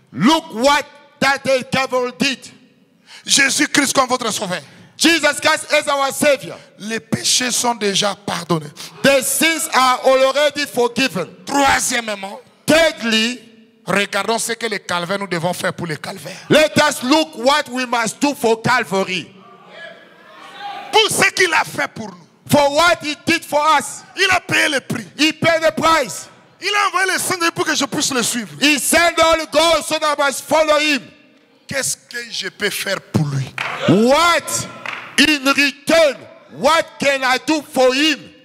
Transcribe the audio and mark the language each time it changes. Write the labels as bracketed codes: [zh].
[en] Look what that day devil did. [fr] Jésus Christ comme votre sauveur. [en] Jesus Christ is our Savior. [fr] Les péchés sont déjà pardonnés. [en] The sins are already forgiven. [fr] Troisièmement, [en] thirdly, [fr] regardons ce que les calvaires nous devons faire pour les calvaires. [en] Let us look what we must do for Calvary. [fr] Pour ce qu'il a fait pour nous. [en] For what he did for us. [fr] Il a payé le prix. [en] He paid the price. [fr] Il a envoyé le Saint-Esprit pour que je puisse le suivre. [en] He sent all the God so that I must follow him. [fr] Qu'est-ce que je peux faire pour lui? [en] What? In return, what can I do for him?